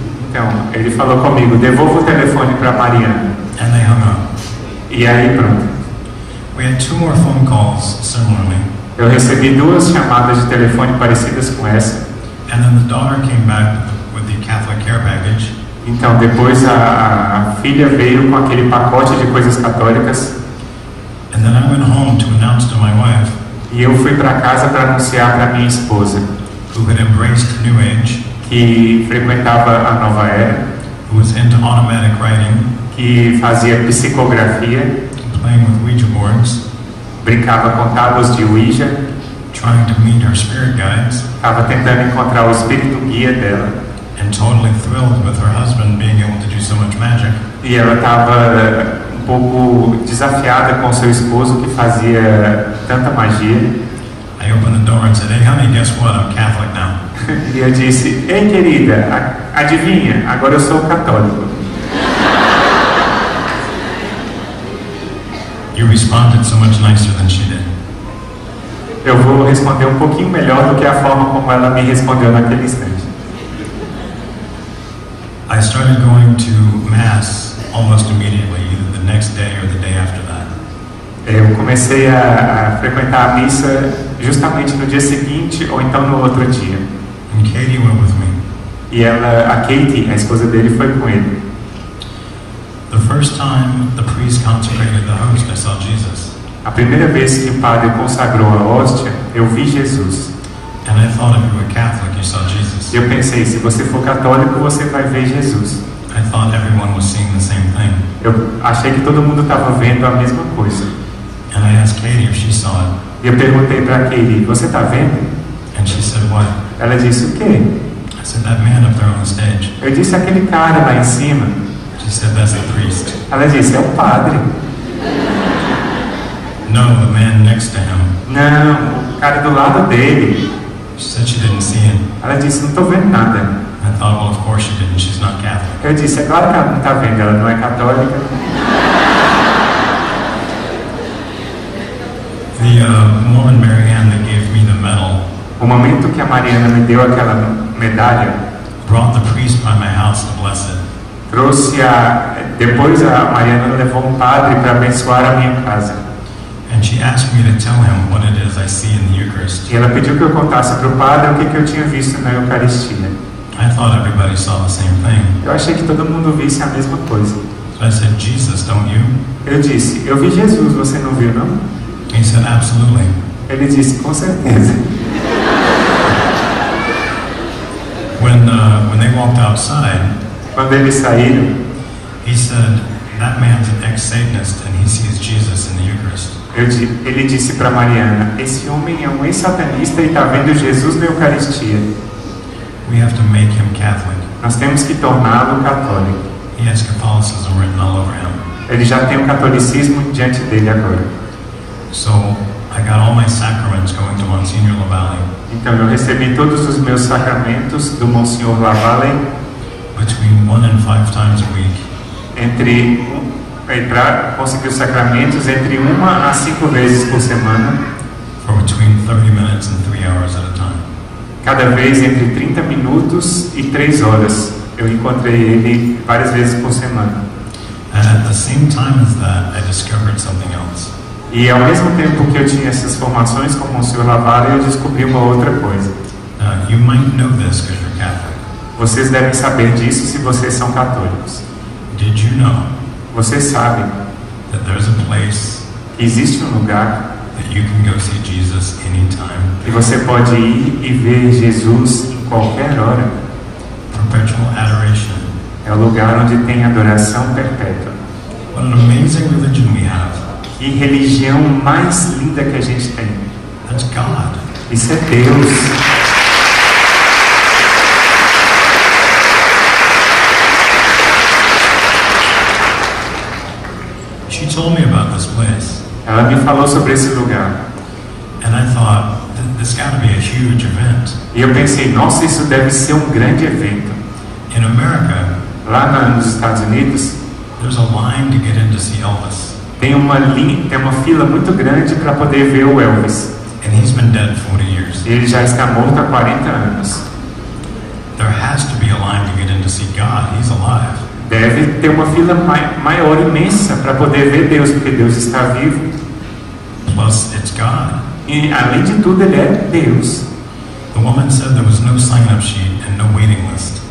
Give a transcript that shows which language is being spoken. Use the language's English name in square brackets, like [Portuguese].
[Portuguese] Então, ele falou comigo, devolva o telefone para Mariana. [English] And they hung up. [Portuguese] E aí pronto. [English] We had two more phone calls similarly. [Portuguese] Eu recebi duas chamadas de telefone parecidas com essa. [English] And then the daughter came back with the Catholic care package. [Portuguese] Então, depois a filha veio com aquele pacote de coisas católicas. [English] And then I went home to announce to my wife. [Portuguese] E eu fui para casa para anunciar para minha esposa. [English] Who had embraced New Age, [Portuguese] que frequentava a Nova Era, [English] who was into automatic writing, [Portuguese] que fazia psicografia, [English] playing with Ouija boards, [Portuguese] brincava com tábuas de Ouija, [English] trying to meet her spirit guides, [Portuguese] estava tentando encontrar o espírito guia dela, [English] and totally thrilled with her husband being able to do so much magic. [Portuguese] E ela estava um pouco desafiada com seu esposo que fazia tanta magia. [English] I opened the door and said, hey honey, guess what, I'm Catholic now. [Portuguese] E eu disse, ei querida, adivinha, agora eu sou católico. [English] You responded so much nicer than she did. [Portuguese] Eu vou responder um pouquinho melhor do que a forma como ela me respondeu naquele instante. [English] I started going to mass almost immediately, either the next day or the day after that. [Portuguese] Eu comecei a frequentar a missa justamente no dia seguinte ou então no outro dia. [English] And Katie went with me. [Portuguese] E ela, a Katie, a esposa dele, foi com ele. [English] The first time the priest consecrated the host, I saw Jesus. [Portuguese] A primeira vez que o padre consagrou a hóstia, eu vi Jesus. [English] And I thought, if you were Catholic, you saw Jesus. [Portuguese] Eu pensei, se você for católico, você vai ver Jesus. [English] I thought everyone was seeing the same thing. [Portuguese] Eu achei que todo mundo estava vendo a mesma coisa. [English] And I asked Katie if she saw it. [Portuguese] E eu perguntei para Katie, você está vendo? [English] And she said, what? [Portuguese] Ela disse, o quê? [English] I said, that man up there on the stage. [Portuguese] Eu disse, aquele cara lá em cima. [English] She said, that's the priest. [Portuguese] Ela disse, é o padre. [English] No, the man next to him. [Portuguese] Não, o cara do lado dele. [English] She said she didn't see him. [Portuguese] Ela disse, não estou vendo nada. [English] I thought, well, of course she didn't. She's not Catholic. [Portuguese] Eu disse, é claro que ela não está vendo. Ela não é católica. [English] The woman Marianne that gave me the medal. [Portuguese] O momento que a Mariana me deu aquela medalha. [English] Brought the priest by my house to bless it. [Portuguese] Trouxe a depois a Mariana levou um padre para abençoar a minha casa. [English] And she asked me to tell him what it is I see in the Eucharist. [Portuguese] E ela pediu que eu contasse para o padre o que eu tinha visto na Eucaristia. [English] I thought everybody saw the same thing. [Portuguese] Eu achei que todo mundo visse a mesma coisa. [English] So I said, Jesus, don't you? [Portuguese] Eu disse, eu vi Jesus, você não viu, não? [English] He said, absolutely. [Portuguese] Ele disse, com certeza. [English] When they walked outside, [Portuguese] quando eles saíram, [English] he said, that man's an ex-Satanist and he sees Jesus in the Eucharist. [Portuguese] Ele disse para Mariana, esse homem é um ex-satanista e está vendo Jesus na Eucaristia. [English] We have to make him Catholic. [Portuguese] Nós temos que torná-lo católico. [English] He has Catholicism written all over him. [Portuguese] Ele já tem o catolicismo diante dele agora. [English] So I got all my sacraments going to Monsignor Lavalle. [Portuguese] Então eu recebi todos os meus sacramentos do Monsignor Lavalle. [English] Between one and five times a week. [Portuguese] Entre conseguir os sacramentos entre uma a cinco vezes por semana. [English] For between 30 minutes and 3 hours at a time. [Portuguese] Cada vez entre 30 minutos e 3 horas. Eu encontrei ele várias vezes por semana. [English] And at the same time as that, I discovered something else. [Portuguese] E ao mesmo tempo que eu tinha essas formações com o Monsignor Lavalle, eu descobri uma outra coisa. [English] You might know this because you're Catholic. [Portuguese] Vocês devem saber disso se vocês são católicos. [English] Did you know? [Portuguese] Você sabe [English] that there's a place [Portuguese] que existe um lugar [English] that you can go see Jesus anytime. [Portuguese] Que você pode ir e ver Jesus em qualquer hora. [English] Perpetual adoration. [Portuguese] É o lugar onde tem adoração perpétua. [English] What an amazing religion we have. [Portuguese] Que religião mais linda que a gente tem. [English] That's God. [Portuguese] Isso é Deus. [English] She told me about this place. [Portuguese] Ela me falou sobre esse lugar. [English] And I thought, this gotta be a huge event. [Portuguese] E eu pensei, nossa, isso deve ser um grande evento. [English] In America, [Portuguese] lá nos Estados Unidos, [English] there's a line to get in to see Elvis. [Portuguese] Tem uma fila muito grande para poder ver o Elvis. [English] And he's been dead 40 years. [Portuguese] Ele já está morto há 40 anos. [English] There has to be a line to get in to see God. He's alive. [Portuguese] Deve ter uma fila maior imensa para poder ver Deus, porque Deus está vivo. [English] Plus, it's God. [Portuguese] E além de tudo, ele é Deus. [English] The woman said there was no sign-up sheet and no waiting list.